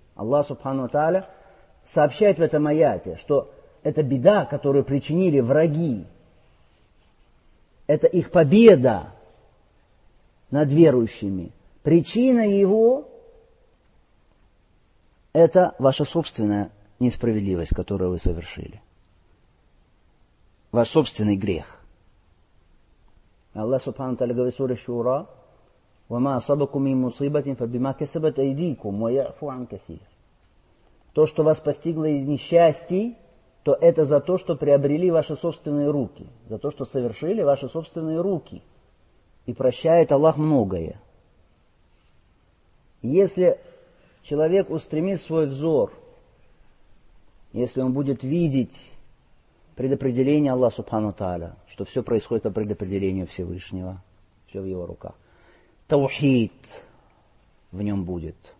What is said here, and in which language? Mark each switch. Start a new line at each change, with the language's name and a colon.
Russian: Аллах Субхану ва Тааля сообщает в этом аяте, что это беда, которую причинили враги. Это их победа над верующими. Причина его – это ваша собственная несправедливость, которую вы совершили. Ваш собственный грех. Аллах Субхану ва Тааля говорит в суре Шура:
Arabic: وما أصابكم من مصيبة فبما كسبت أيديكم ويعفو عن كثير.
Russian: То, что вас постигло из несчастий, то это за то, что приобрели ваши собственные руки, за то, что совершили ваши собственные руки. И прощает Аллах многое. Если человек устремит свой взор, если он будет видеть предопределение Аллаха Субхану Тааля, что все происходит по предопределению Всевышнего, все в его руках, таухид в нем будет.